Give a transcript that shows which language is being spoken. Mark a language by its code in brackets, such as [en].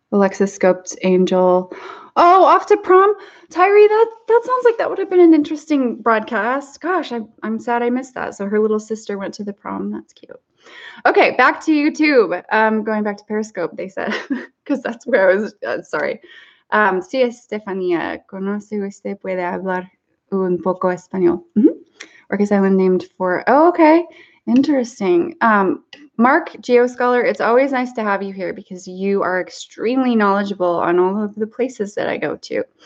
[en] Alexa scoped Angel. Oh, off to prom. Tyree, that sounds like that would have been an interesting broadcast. Gosh, I'm sad I missed that. So her little sister went to the prom. That's cute. Okay, back to YouTube. Going back to Periscope, they said, because that's where I was. Sorry. Sí, Estefania. [es] ¿Conoce usted puede hablar un poco español? [en] Mm-hmm. Orcas Island named for. Oh, okay. Interesting. Mark, GeoScholar, it's always nice to have you here because you are extremely knowledgeable on all of the places that I go to.